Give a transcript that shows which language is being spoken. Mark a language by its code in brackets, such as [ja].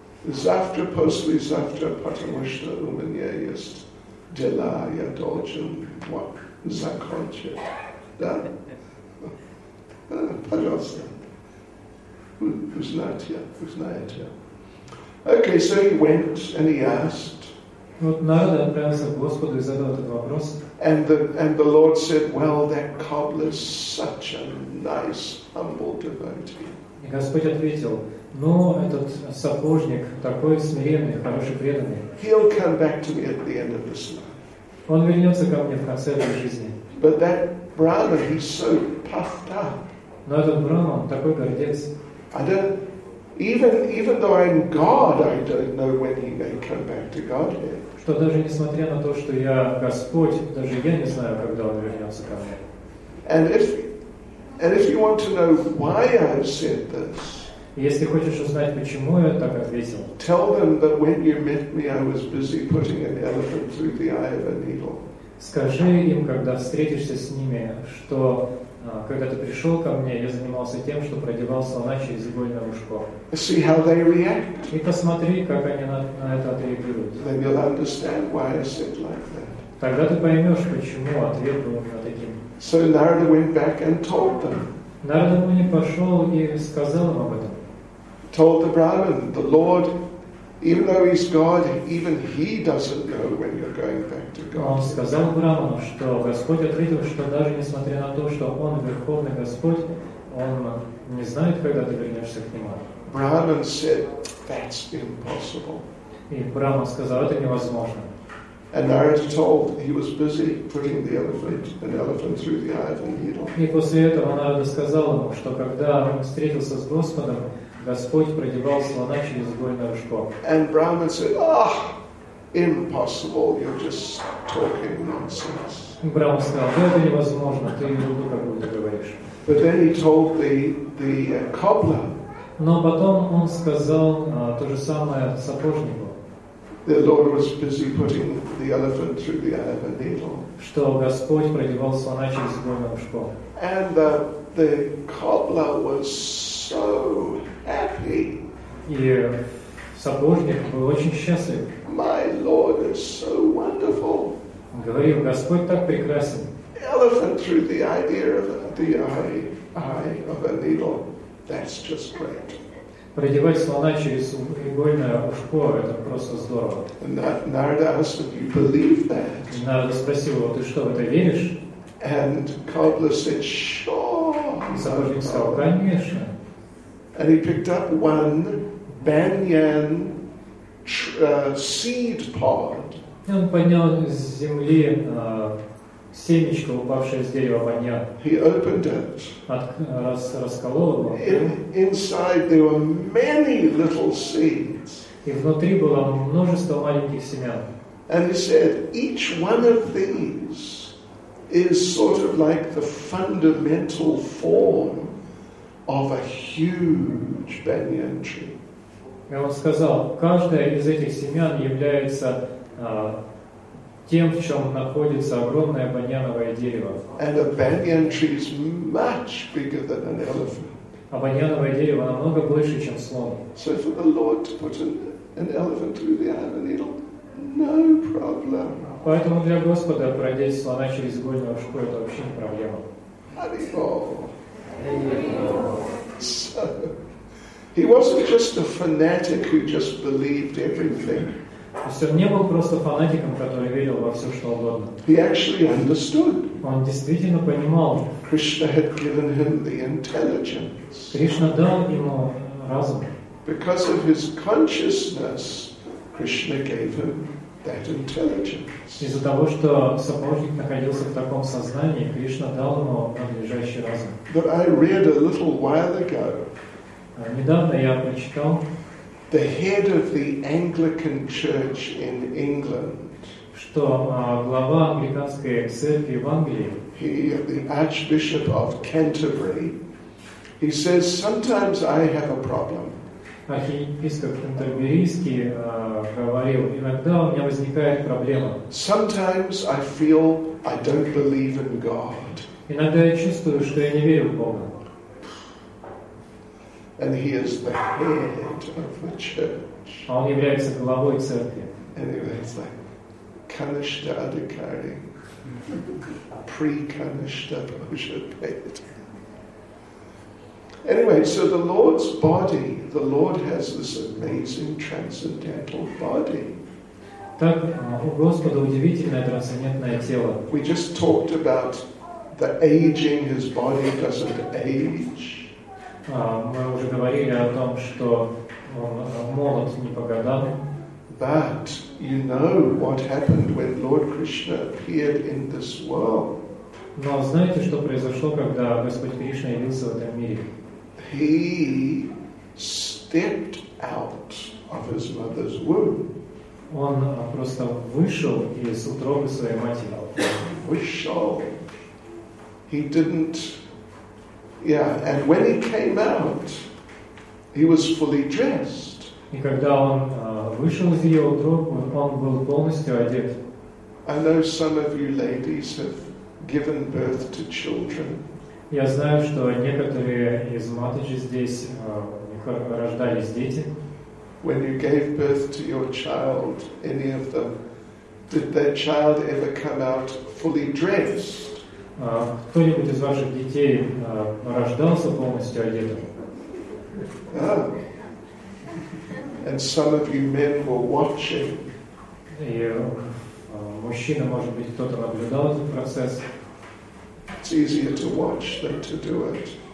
[ru] Завтра, послезавтра, потому что у меня есть дела, я должен закончить. Да? Пожалуйста. Вы знаете. [en] Okay, so he went and he asked. [ru] Вот народ отправился к Господу и задал этот вопрос. [en] And the Lord said, well, that cobbler's such a nice, humble devotee. [ru] И Господь ответил, ну, этот сапожник такой смиренный, хороший, преданный. [en] He'll come back to me at the end of this life. [ru] Он вернется ко мне в конце этой жизни. [en] But that brahman, he's so puffed up. [ru] Но этот брахман такой гордец. [en] Even though I'm God, I don't know when he may come back to Godhead. [ru] Что даже несмотря на то, что я Господь, даже я не знаю, когда он вернется ко мне. [en] And if you want to know why I've said this, [ru] если хочешь узнать, почему я так ответил, [en] tell them that when you met me, I was busy putting an elephant through the eye of a needle. [ru] Скажи им, когда встретишься с ними, что когда ты пришел ко мне, я занимался тем, что продевал слона через игольное ушко. [en] See how they react. [ru] И посмотри, как они на это отреагируют. [en] Then you'll understand why I said like that. [ru] Тогда ты поймешь, почему ответ был у меня таким. [en] So Narada went back and told them. [ru] Нарада Муни пошел и сказал им об этом. [en] Told the Brahmin, the Lord, even though he's God, even he doesn't know when you're going back to God. [ru] Он сказал Брахману, что Господь ответил, что даже несмотря на то, что он Верховный Господь, он не знает, когда ты вернешься к нему. [en] Brahman said, that's impossible. [ru] И Брахман сказал, это невозможно. [en] And Narada told he was busy putting the elephant, an elephant through the eye of a needle. [ru] И после этого Нарада сказал ему, что когда он встретился с Господом, Господь продевал слона через игольное ушко. [en] And Brahman said, "Ah, impossible! You're just talking nonsense." [ru] Брахман сказал, это невозможно, ты ерунду какую-то говоришь. [en] But then he told the cobbler. [ru] Но потом он сказал то же самое сапожнику. [en] The Lord was busy putting the elephant through the eye of a needle. [ru] Что Господь продевал слона через игольное ушко. [en] And the cobbler was so happy. [ru] И сапожник был очень счастлив. [en] My Lord is so wonderful. [ru] Говорил, Господь так прекрасен. [en] Elephant through the idea of the eye of a needle. That's just great. [ru] Продевать слона через игольное ушко — это просто здорово. [en] Narada asked him, "You believe that?" [ru] Narada спросил его, "Ты что, в это веришь?" [en] And cobbler said, "Sure." [ru] Сапожник сказал, "Конечно." [en] And he picked up one banyan seed pod. [ru] Он поднял из земли семечко, упавшее с дерева баньян. [en] He opened it. [ru] Расколол его. [en] Inside there were many little seeds. [ru] И внутри было множество маленьких семян. [en] And he said, each one of these is sort of like the fundamental form of a huge banyan tree. [ru] Он сказал, каждая из этих семян является тем, в чем находится огромное баньяновое дерево. [en] And a banyan tree is much bigger than an elephant. [ru] А баньяновое дерево намного больше, чем слон. [en] So for the Lord to put an elephant through the eye of a needle, no problem. [ru] Поэтому для Господа продеть слона через игольное ушко это вообще не проблема. [en] So, he wasn't just a fanatic who just believed everything. [ru] Он не был просто фанатиком, который верил во все, что угодно. [en] He actually understood. [ru] Он действительно понимал. [en] Krishna had given him the intelligence. [ru] Кришна дал ему разум. [en] Because of his consciousness, Krishna gave him that intelligence. [ru] Из-за того, что сапожник находился в таком сознании, Кришна дал ему надлежащий разум. [en] But I read a little while ago. [ru] Недавно я прочитал. [en] The head of the Anglican Church in England. [ru] Что глава англиканской церкви в Англии? [en] He, the Archbishop of Canterbury. He says, sometimes I have a problem. [ru] Архиепископ Кентерберийский говорил, иногда у меня возникает проблема. [en] Sometimes I feel I don't believe in God. [ru] Иногда я чувствую, что я не верю в Бога. [en] And he is the head of the church. [ru] Он является главой церкви. [en] Anyway, it's like Kanishtha Adhikari, pre-Kanishtha Bhojapeta. Anyway, so the Lord's body, the Lord has this amazing transcendental body. [ru] Так, у Господа удивительное трансцендентное тело. [en] We just talked about the aging, his body doesn't age. [ru] Мы уже говорили о том, что он молод, не по годам. [en] But you know what happened when Lord Krishna appeared in this world. [ru] Но знаете, что произошло, когда Господь Кришна явился в этом мире? [en] He stepped out of his mother's womb. [ru] Он просто вышел из утробы своей матери. Вышел. [en] He didn't. Yeah, and when he came out, he was fully dressed. [ru] И когда он вышел из ее утробы, он был полностью одет. [en] I know some of you ladies have given birth to children. [ru] Я знаю, что некоторые из маточек здесь рождались дети. [en] When you gave birth to your child, any of them, did that child ever come out fully dressed? [ru] Кто-нибудь из ваших детей рождался полностью одетым? [en] And some of you men were watching. [ru] И мужчина, может быть, кто-то наблюдал этот процесс. [en] It's easier to watch than to do it.